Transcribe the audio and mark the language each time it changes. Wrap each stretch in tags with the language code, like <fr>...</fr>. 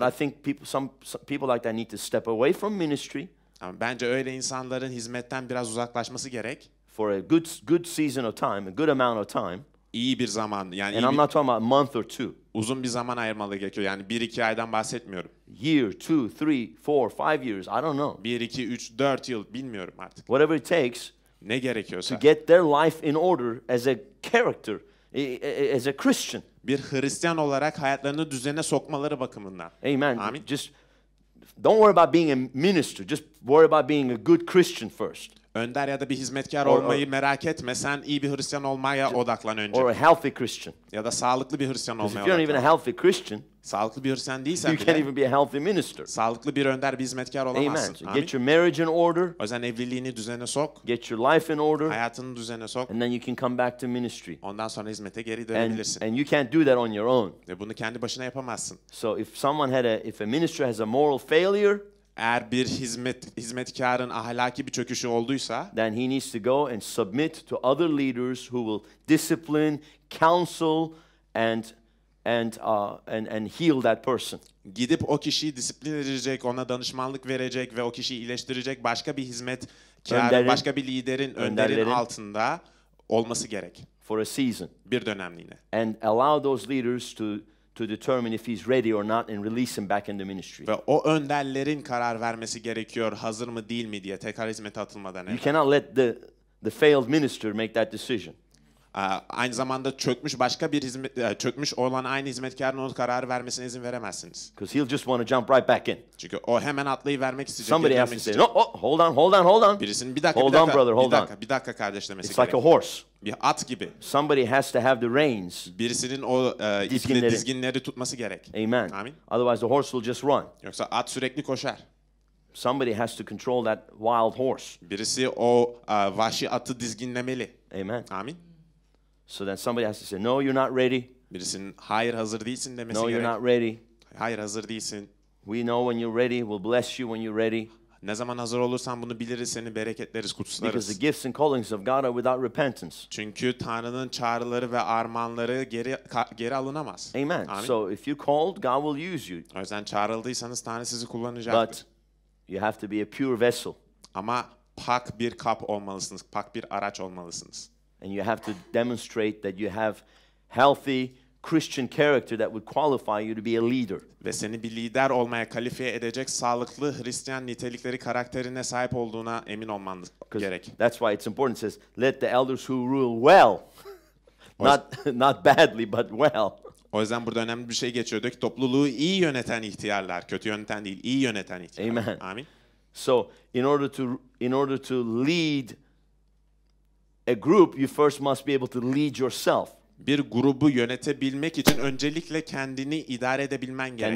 <en>But I think some people like that need to step away from ministry.</en> <tr>Ama bence öyle insanların hizmetten biraz uzaklaşması gerek.</tr> <en>For a good season of time, a good amount of time.</en> <tr>İyi bir zaman. Yani</tr> <en>And I'm not talking about a month or two.</en> <tr>Uzun bir zaman ayırmalı gerekiyor. Yani 1-2 aydan bahsetmiyorum.</tr> <en>Year, 2, 3, 4, 5 years. I don't know.</en> <tr>1-2, 3, 4 yıl bilmiyorum artık.</tr> <en>Whatever it takes.</en> <tr>Ne gerekiyorsa.</tr> <en>To get their life in order as a character, as a Christian.</en> <tr>Bir Hristiyan olarak hayatlarını düzene sokmaları bakımından.</tr> <en>Amen.</en> <tr>Amin.</tr> <en>Just don't worry about being a minister. Just worry about being a good Christian first.</en> <tr>Önder ya da bir hizmetkar olmayı merak etme. Sen iyi bir Hristiyan olmaya odaklan önce.</tr> <en>Or a healthy Christian.</en> <tr>Ya da sağlıklı bir Hristiyan olmaya odaklan.</tr> <en>If you're not even a healthy Christian,</en> <tr>sağlıklı bir Hristiyan değilsen</tr> <en>you can't even be a healthy minister.</en> <tr>Sağlıklı bir önder, bir hizmetkar olamazsın.</tr> <en>Amen. Get your marriage in order.</en> <tr>O yüzden evliliğini düzene sok.</tr> <en>Get your life in order.</en> <tr>Hayatını düzene sok.</tr> <en>And then you can come back to ministry.</en> <tr>Ondan sonra hizmete geri dönebilirsin.</tr> <en>And you can't do that on your own.</en> <tr>Ve bunu kendi başına yapamazsın.</tr> <en>So if a minister has a moral failure,</en> <tr>Eğer bir hizmetkarın ahlaki bir çöküşü olduysa,</tr> <en>then he needs to go and submit to other leaders who will discipline, counsel and heal that person.</en> <tr>Gidip o kişiyi disipline edecek, ona danışmanlık verecek ve o kişiyi iyileştirecek başka bir hizmetkarın, başka bir liderin, önderin altında olması gerek.</tr> <en>For a season.</en> <tr>Bir dönemliğine.</tr> <en>And allow those leaders to determine if he's ready or not and release him back in the ministry.</en> <tr>Ve o önderlerin karar vermesi gerekiyor, hazır mı değil mi diye tekrar hizmete atılmadan önce.</tr> <en>You cannot let the failed minister make that decision.</en> <tr>Aynı zamanda çökmüş başka bir hizmet çökmüş olan aynı hizmetkarın onun kararı vermesine izin veremezsiniz.</tr> <en>Because he'll just want to jump right back in.</en> <tr>Çünkü o hemen atlayıvermek isteyecek.</tr> <en>Somebody has to say, no, oh, hold on.</en> <tr>Birisinin bir dakika,</tr> <en>hold</en> <tr>bir dakika,</tr> <en>on, brother,</en> <tr>bir dakika,</tr> <en>hold</en> <tr>bir dakika kardeş demesi gerekiyor.</tr> <en>It's like a horse.</en> <tr>Bir at gibi.</tr> <en>Somebody has to have the reins.</en> <tr>Birisinin o dizginleri tutması gerek.</tr> <en>Amen.</en> <tr>Amin.</tr> <en>Otherwise the horse will just run.</en> <tr>Yoksa at sürekli koşar.</tr> <en>Somebody has to control that wild horse.</en> <tr>Birisi o vahşi atı dizginlemeli.</tr> <en>Amen.</en> <tr>Amin.</tr> <en>So then somebody has to say, no, you're not ready.</en> <tr>Birisinin hayır hazır değilsin demesi</tr> <en>no,</en> <tr>gerek.</tr> <en>No, you're not ready.</en> <tr>Hayır hazır değilsin.</tr> <en>We know when you're ready. We'll bless you when you're ready.</en> <tr>Ne zaman hazır olursan bunu biliriz, seni bereketleriz, kutsalarız.</tr> <en>Because the gifts and callings of God are without repentance.</en> <tr>Çünkü Tanrı'nın çağrıları ve armağanları geri alınamaz.</tr> <en>Amen. Amin. So if you called, God will use you.</en> <tr>O yüzden çağrıldıysanız Tanrı sizi kullanacaktır.</tr> <en>But you have to be a pure vessel.</en> <tr>Ama pak bir kap olmalısınız, pak bir araç olmalısınız.</tr> <en>And you have to demonstrate that you have healthy Christian character that would qualify you to be a leader.</en> <tr>Ve seni bir lider olmaya kalifiye edecek sağlıklı Hristiyan nitelikleri, karakterine sahip olduğuna emin olman gerek.</tr> <en>That's why it's important. It says, let the elders who rule well, not badly, but well.</en> <tr>O yüzden burada önemli bir şey geçiyor. Diyor ki, topluluğu iyi yöneten ihtiyarlar, kötü yöneten değil, iyi yöneten ihtiyarlar.</tr> <en>Amen.</en> <tr>Amin.</tr> <en>So in order to lead a group, you first must be able to lead yourself.</en> <tr>Bir grubu yönetebilmek için öncelikle kendini idare edebilmen gerek.</tr>